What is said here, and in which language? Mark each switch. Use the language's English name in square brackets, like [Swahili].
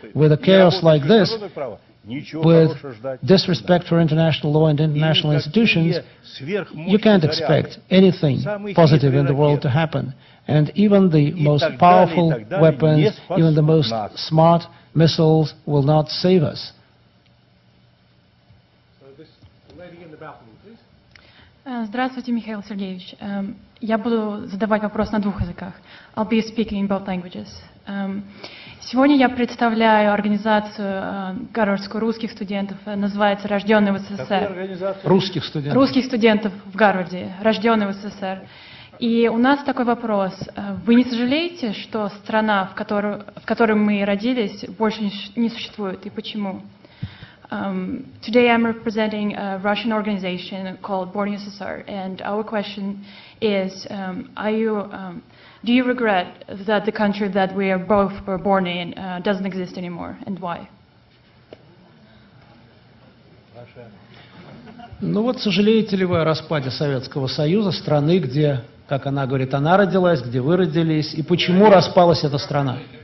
[English] With a chaos like this, with disrespect for international law and international institutions, you can't expect anything positive in the world to happen. And even the most powerful weapons, even the most smart missiles will not save us. [Russian] Здравствуйте, Михаил Сергеевич. Я буду задавать вопрос на двух языках. [English] I'll be speaking in both languages. [Russian] Сегодня я представляю организацию гарвардско-русских студентов, называется «Рожденный в СССР». Русских студентов? Русских студентов в Гарварде, «Рожденный в СССР». И у нас такой вопрос. Вы не сожалеете, что страна, в которой мы родились, больше не существует, и почему? [English] Today I'm representing a Russian organization called Born USSR, and our question is, do you regret that the country that we are both were born in doesn't exist anymore, and why? [Russian] Ну вот, сожалеете ли вы о распаде Советского Союза, страны, где, как она говорит, она родилась, где вы родились, и почему распалась эта страна?